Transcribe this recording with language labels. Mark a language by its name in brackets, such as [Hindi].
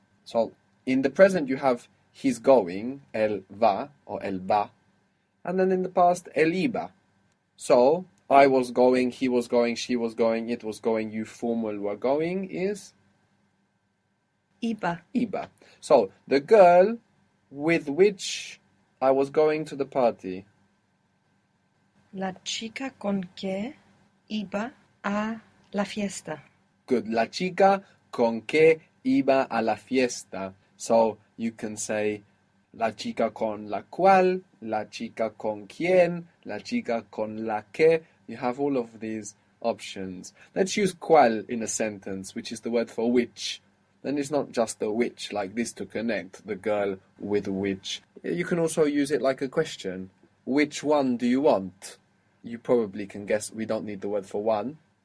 [English] So in the present you have he's going, [Spanish] el va [English] or el ba, and then in the past, [Spanish] el iba. [English] So, I was going, he was going, she was going, it was going, you formal were going is [Spanish] Iba. iba. [English] So, the girl with which I was going to the party. [Spanish] La chica con que iba a la fiesta. [English] Good. [Spanish] La chica con que iba a la fiesta. [English] So, you can say. [Spanish] La chica con la cual, la chica con quién, la chica con la que. [English] You have all of these options. Let's use cual in a sentence, which is the word for which. Then it's not just the which like this to connect the girl with which. You can also use it like a question. Which one do you want? You probably can guess we don't need the word for one.